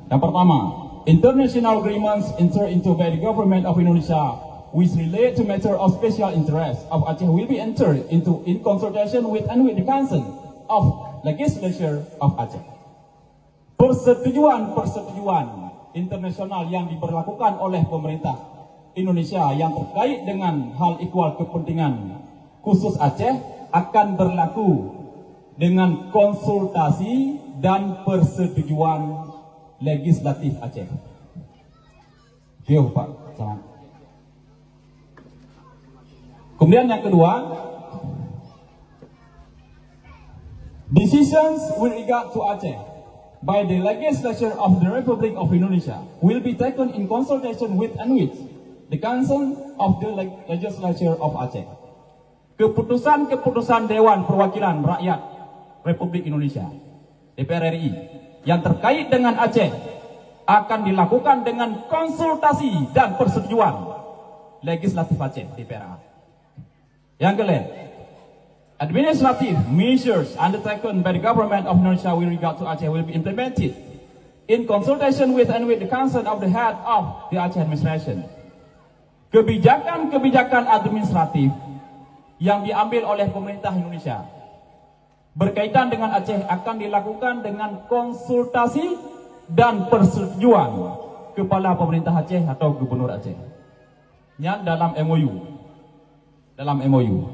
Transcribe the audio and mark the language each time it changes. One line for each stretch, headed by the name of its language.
Indonesian: Yang pertama,
English: international agreements entered into by the government of Indonesia which relate to matter of special interest of Aceh will be entered into in consultation with and with the Council of Legislature of Aceh.
Indonesian: Persetujuan-persetujuan internasional yang diberlakukan oleh pemerintah Indonesia yang terkait dengan hal ikhwal kepentingan khusus Aceh akan berlaku dengan konsultasi dan persetujuan legislatif Aceh. Yo, Pak. Selamat. Kemudian yang kedua,
English: decisions with regard to Aceh by the legislature of the Republic of Indonesia will be taken in consultation with and with the Council of the Legislature of Aceh.
Indonesian: Keputusan-keputusan Dewan Perwakilan Rakyat Republik Indonesia, DPR RI, yang terkait dengan Aceh akan dilakukan dengan konsultasi dan persetujuan legislatif Aceh, DPR RI. Yang kelima,
English: administrative measures undertaken by the government of Indonesia with regard to Aceh will be implemented in consultation with and with the consent of the head of the Aceh administration.
Indonesian: Kebijakan-kebijakan administratif yang diambil oleh pemerintah Indonesia berkaitan dengan Aceh akan dilakukan dengan konsultasi dan persetujuan kepala pemerintah Aceh atau gubernur Aceh. Yang dalam MOU. Dalam MOU.